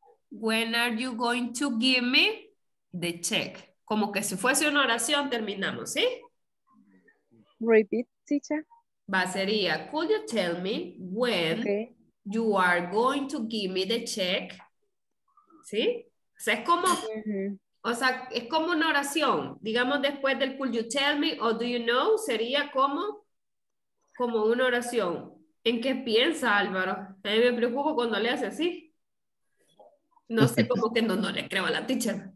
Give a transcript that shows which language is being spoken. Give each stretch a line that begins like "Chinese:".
English: When are you going to give me the check?
Spanish: Como que si fuese una oración, terminamos, ¿sí?
English: Repeat, teacher.
Spanish: Va, sería,
English: could you tell me when you are going to give me the check?
Spanish: ¿Sí? O sea, es como, o sea, es como una oración. Digamos después del
English: could you tell me or do you know,
Spanish: sería como... Como una oración. ¿En qué piensa, Álvaro? A mí me preocupo cuando le hace así. No sé, como que no le creo a la teacher.